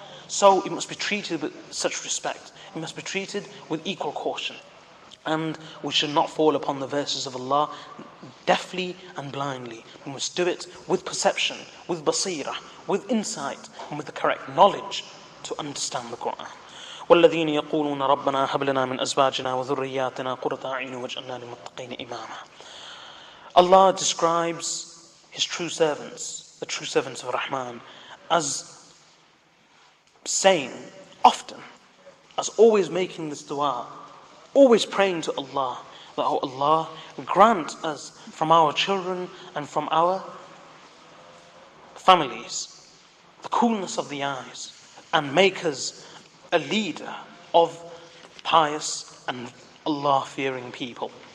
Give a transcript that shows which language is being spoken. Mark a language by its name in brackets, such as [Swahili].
[English] So it must be treated with such respect. It must be treated with equal caution. And we should not fall upon the verses of Allah deafly and blindly. We must do it with perception, with basirah, with insight, and with the correct knowledge to understand the Quran. [Arabic] والذين يقولون ربنا هب لنا من أزواجنا وذرياتنا قرة أعين واجعلنا للمتقين إماما. [English] Allah describes His true servants, the true servants of Rahman, as saying often, as always making this dua, always praying to Allah, that oh Allah, grant us from our children and from our families the coolness of the eyes, and make us a leader of pious and Allah-fearing people.